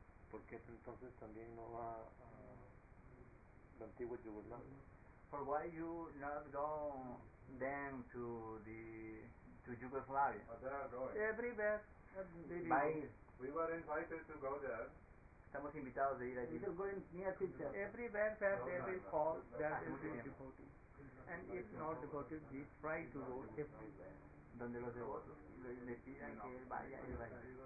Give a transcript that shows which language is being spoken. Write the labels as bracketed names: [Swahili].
[Spanish] ¿Por qué entonces también no va a la antigua Yugoslavia? [English] For why you not go then to the to Yugoslavia? Oh, there are going. Everywhere. We were invited to go there. [Spanish] Estamos invitados a ir allí. [English] We are going near Kitchen. Everywhere where they will call, there will be devotees. And if not devotees, we try to go everywhere. [Spanish] Donde los devotos le pidan que él vaya y vaya.